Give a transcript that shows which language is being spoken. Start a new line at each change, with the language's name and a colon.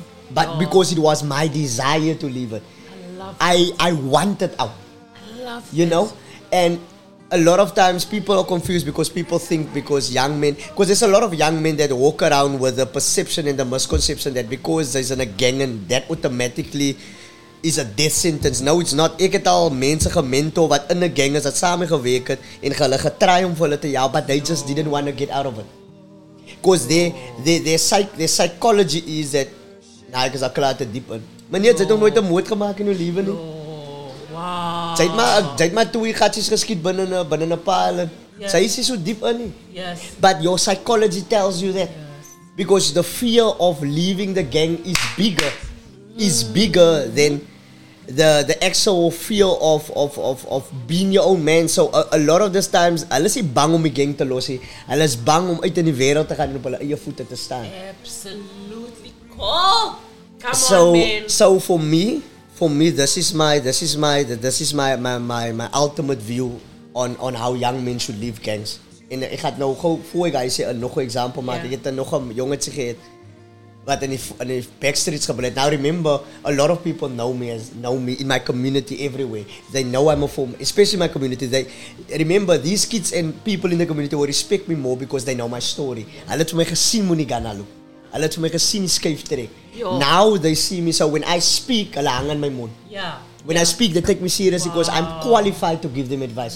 English: But because it was my desire to leave it, I wanted out. I love this. And a lot of times people are confused because people think because there's a lot of young men that walk around with the perception and the misconception that because there's in a gang and that automatically is a death sentence. No, it's not.
Afrikaans: Ek het al mense gementor wat in 'n gang is, het samengewerk het en hulle getry om hulle te help,
English: but they just didn't want to get out of it. Because their psychology is that,
Afrikaans: nou, ek is al klaar te diep in. Meneer, jy het nooit 'n moord gemaak in jou lewe nie. Jy het maar twee gatsies geskiet binne 'n paal. Sy is so diep in nie.
English: Yes. But your psychology tells you that. Yes. Because the fear of leaving the gang is bigger. Is bigger than the actual fear of being your own man. So a lot of these times,
Afrikaans: hulle is bang om die gang te los. Hulle is bang om uit in die wêreld te gaan en op hulle eie voete te staan.
English: Absolutely cool. Come on, man. So for me, this is my ultimate view on how young men should leave gangs.
Afrikaans: En ek gaan nou gou voor ek sê 'n nog 'n example, maar ek het nog 'n jongetjie gehad wat in die backstreets gebly het.
English: Now remember, a lot of people know me in my community everywhere. They know I'm a former, especially my community. They remember these kids and people in the community will respect me more because they know my story.
Afrikaans: Hulle het my gesien moenie gaan aloop. Hulle het my gesien skuif trek.
English: Now they see me, so when I speak,
Afrikaans: hulle hang in my mond.
English: Yeah. When I speak, they take me seriously because I'm qualified to give them advice.